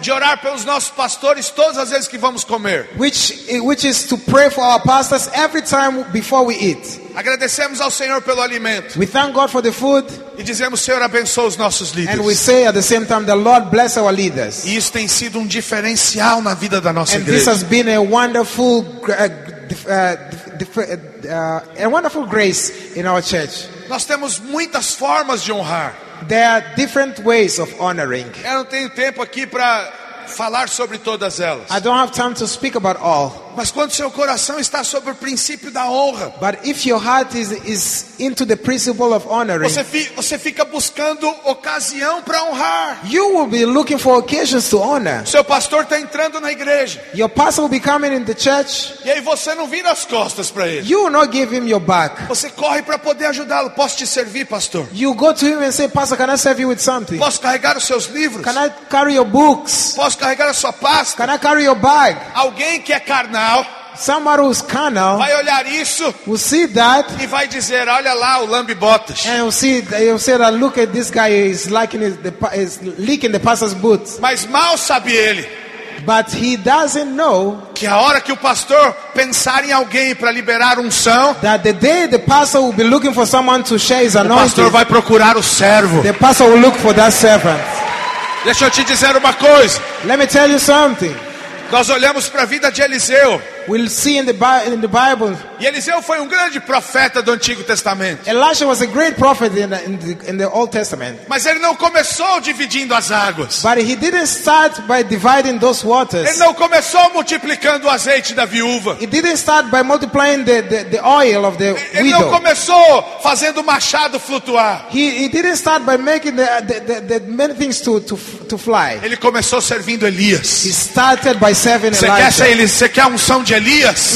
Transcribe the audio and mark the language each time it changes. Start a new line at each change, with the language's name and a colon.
Portuguese: De orar pelos nossos pastores todas as vezes que vamos comer.
English: Which is to pray for our pastors every time before we eat.
Portuguese: Agradecemos ao Senhor pelo alimento.
English: We thank God for the food.
Portuguese: E dizemos, Senhor, abençoa os nossos líderes.
English: And we say at the same time, the Lord bless our leaders.
Portuguese: E isso tem sido diferencial na vida da nossa
English: and
Portuguese: igreja.
English: And this has been a wonderful grace in our church.
Portuguese: Nós temos muitas formas de honrar.
English: There are different ways of honoring.
Portuguese: Eu não tenho tempo aqui para falar sobre todas elas.
English: I don't have time to speak about all.
Portuguese: Mas quando seu coração está sobre o princípio da honra,
English: but if your heart is into the principle of honoring,
Portuguese: você fica buscando ocasião para honrar.
English: You will be looking for occasions to honor.
Portuguese: Seu pastor está entrando na igreja.
English: Your pastor will be coming in the church.
Portuguese: E aí você não vira as costas para ele.
English: You will not give him your back.
Portuguese: Você corre para poder ajudá-lo. Posso te servir, pastor?
English: You go to him and say, Pastor, can I serve you with something?
Portuguese: Posso carregar os seus livros?
English: Can I carry your books?
Portuguese: Posso carregar a sua pasta?
English: Can I carry your bag?
Portuguese: Alguém que é carnal.
English: Somebody who's carnal
Portuguese: vai olhar isso,
English: will see that,
Portuguese: e vai dizer, olha lá o lambibotas.
English: And you'll see that, look at this guy, he's licking the pastor's boots.
Portuguese: Mas mal sabe ele.
English: But he doesn't know
Portuguese: que a hora que o pastor pensar em alguém para liberar unção,
English: that the day the pastor will be looking for someone to share his anointing,
Portuguese: o pastor vai procurar o servo.
English: The pastor will look for that servant.
Portuguese: Deixa eu te dizer uma coisa.
English: Let me tell you something.
Portuguese: Nós olhamos para a vida de Eliseu.
English: We'll see in the Bible.
Portuguese: E Eliseu foi grande profeta do Antigo Testamento.
English: Elijah was a great prophet in the Old Testament.
Portuguese: Mas ele não começou dividindo as águas.
English: But he didn't start by dividing those waters.
Portuguese: Ele não começou multiplicando o azeite da viúva.
English: He didn't start by multiplying the oil of the widow.
Portuguese: Ele não começou fazendo o machado flutuar.
English: He didn't start by making the many things to fly.
Portuguese: Ele começou servindo Elias.
English: He started by serving Elijah.
Portuguese: Você quer unção de Elias?